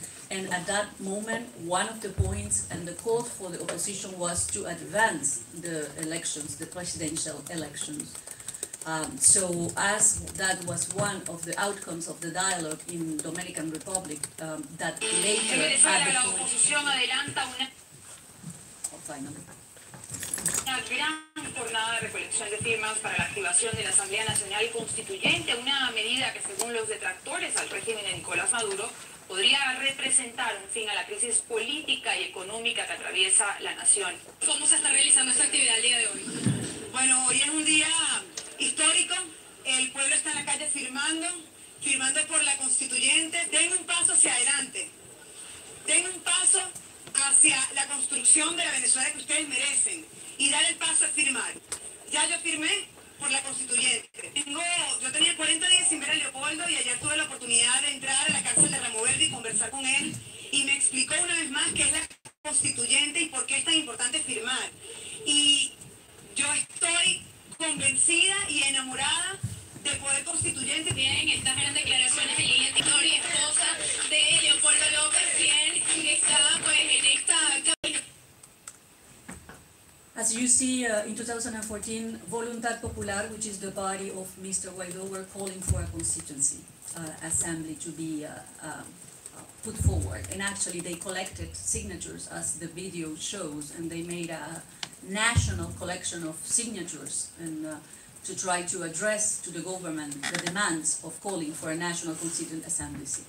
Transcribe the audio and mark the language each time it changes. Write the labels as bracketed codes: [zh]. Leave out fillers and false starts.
[en] And at that moment, one of the points and the call for the opposition was to advance the elections, the presidential elections. So as that was one of the outcomes of the dialogue in Dominican Republic, that later had the [es] jornada de recolección de firmas para la activación de la Asamblea Nacional Constituyente, una medida que según los detractores al régimen de Nicolás Maduro podría representar un fin a la crisis política y económica que atraviesa la nación. ¿Cómo se está realizando esta actividad el día de hoy? Bueno, hoy es un día histórico. El pueblo está en la calle firmando por la constituyente. Den un paso hacia adelante. Den un paso hacia la construcción de la Venezuela que ustedes merecen. Y dar el paso a firmar. Ya yo firmé por la constituyente. Yo tenía 40 días sin ver a Leopoldo y ayer tuve la oportunidad de entrar a la cárcel de Ramo Verde y conversar con él. Y me explicó una vez más qué es la constituyente y por qué es tan importante firmar. Y yo estoy convencida y enamorada de poder constituyente. Bien, estas eran declaraciones de Lilian Tintori, esposa de Leopoldo López, quien estaba pues en esta... [en] As you see, in 2014, Voluntad Popular, which is the body of Mr. Guaido, were calling for a constituency assembly to be put forward. And actually, they collected signatures, as the video shows, and they made a national collection of signatures and to try to address to the government the demands of calling for a national constituent assembly.